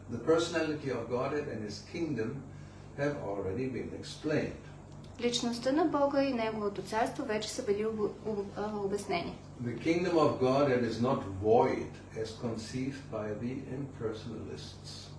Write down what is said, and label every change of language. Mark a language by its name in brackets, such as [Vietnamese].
[English] The personality of Godhead and His kingdom have already been explained. [Bulgarian] Личността на Бога и Неговото царство вече са били обяснени. [English] The kingdom of Godhead is not void as conceived by the impersonalists.